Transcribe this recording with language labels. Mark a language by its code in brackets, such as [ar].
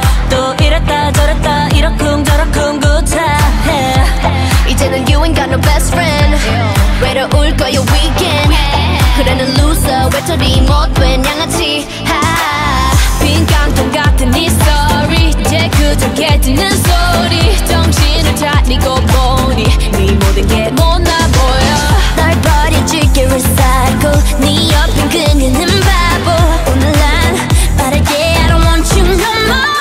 [ko] 또 이랬다 저랬다 이러쿵저러쿵 구차해. [en] 이제는 you ain't got no best friend. [ko] 외로울 거야 weekend. 그래는 loser 외톨이 못된 양아치. 빈 깡통 같은 이 story, 이제 그저 깨지는 소리. 정신을 차리고 보니 네 모든 게 못나 보여. 널 버려줄게 recycle, 네 옆엔 그녀는 바보. [en] 오늘 난 빠르게 I don't want you no more.